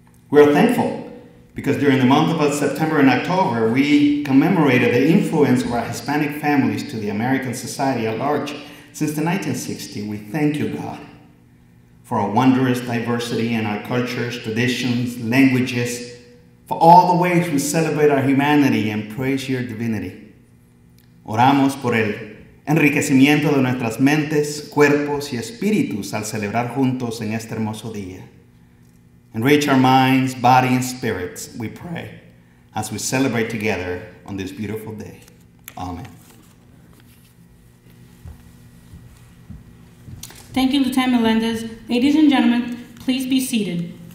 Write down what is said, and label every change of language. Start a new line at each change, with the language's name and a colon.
English: We are thankful because during the month of September and October, we commemorated the influence of our Hispanic families to the American society at large since the 1960s. We thank you, God, for our wondrous diversity in our cultures, traditions, languages, for all the ways we celebrate our humanity and praise your divinity.
Spanish: Oramos por el enriquecimiento de nuestras mentes, cuerpos, y espíritus al celebrar juntos en este hermoso día.
English: Enrich our minds, body, and spirits, we pray, as we celebrate together on this beautiful day. Amen. Thank you, Lieutenant Melendez. Ladies and gentlemen, please be seated.